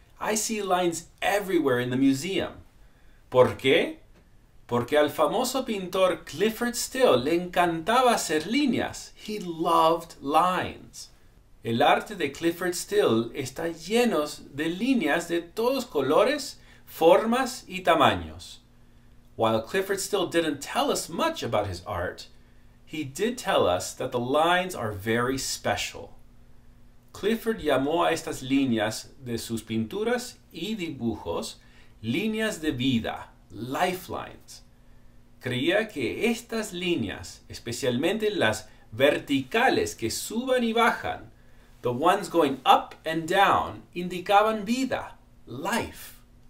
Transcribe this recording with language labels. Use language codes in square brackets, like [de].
[en] I see lines everywhere in the museum. [es] ¿Por qué? Porque al famoso pintor Clyfford Still le encantaba hacer líneas. [en] He loved lines. [es] El arte de Clyfford Still está lleno de líneas de todos colores, formas y tamaños. [en] While Clyfford Still didn't tell us much about his art, he did tell us that the lines are very special. [es] Clyfford llamó a estas líneas de sus pinturas y dibujos líneas de vida, [en] lifelines. [es] Creía que estas líneas, especialmente las verticales que suban y bajan, [en] the ones going up and down, [es] indicaban vida, [en] life.